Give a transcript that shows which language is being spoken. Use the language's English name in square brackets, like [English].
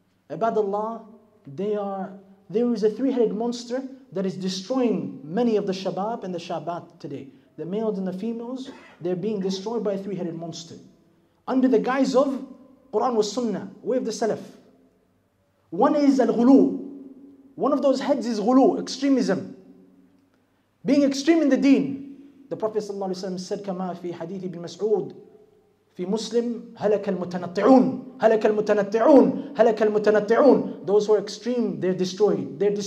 [English] Ibadallah, there is a three-headed monster that is destroying many of the Shabab and the Shabat today. The males and the females, they're being destroyed by a three-headed monster. Under the guise of Quran was Sunnah, way of the Salaf. One is Al-Ghulu. One of those heads is Ghulu, extremism. Being extreme in the deen. The Prophet sallallahu alayhi wa sallam said, [Arabic] كما في حديث ابن مسعود في مسلم هلك المتنطعون هلك المتنطعون هلك المتنطعون. [English] Those who are extreme, they're destroyed.